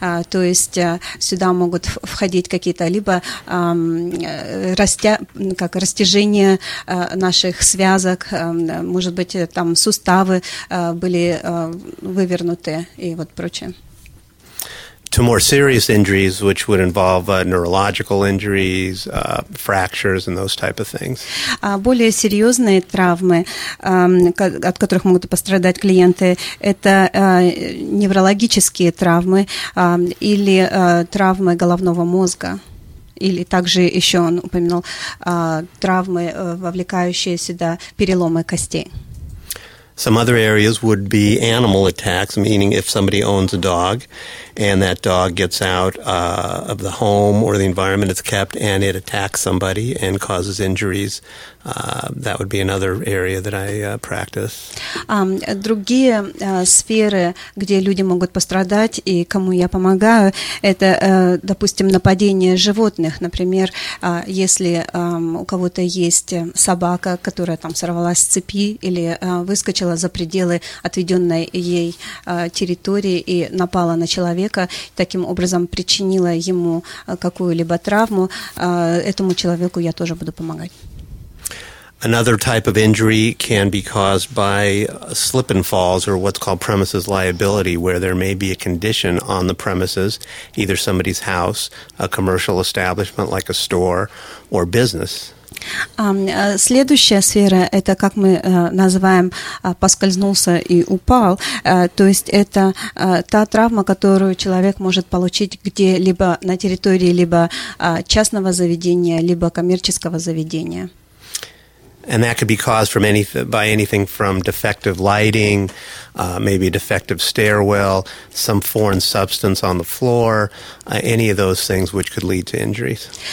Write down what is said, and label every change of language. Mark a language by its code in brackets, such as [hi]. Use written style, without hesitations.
[ru] То есть сюда могут входить какие-то либо как растяжение наших связок, может быть, там суставы были вывернуты. [en] To more serious injuries, which would involve neurological injuries, fractures, and those type of things. [ru] Более серьезные травмы, от которых могут пострадать клиенты, это неврологические травмы или травмы головного мозга. Или также еще он упомянул травмы, вовлекающие сюда переломы костей. [en] Some other areas would be animal attacks, meaning if somebody owns a dog and that dog gets out of the home or the environment it's kept and it attacks somebody and causes injuries That would be another area that I practice. [ru] Другие сферы, где люди могут пострадать и кому я помогаю, это, допустим, нападение животных. Например, если у кого-то есть собака, которая там сорвалась с цепи или выскочила за пределы отведенной ей территории и напала на человека, таким образом причинила ему какую-либо травму, этому человеку я тоже буду помогать. [en] Another type of injury can be caused by slip and falls, or what's called premises liability, where there may be a condition on the premises, either somebody's house, a commercial establishment like a store, or business. [ru] Следующая сфера – это, как мы называем, поскользнулся и упал. То есть это та травма, которую человек может получить где-либо на территории либо частного заведения, либо коммерческого заведения. [en] And that could be caused from anything from defective lighting, maybe a defective stairwell, some foreign substance on the floor, any of those things which could lead to injuries.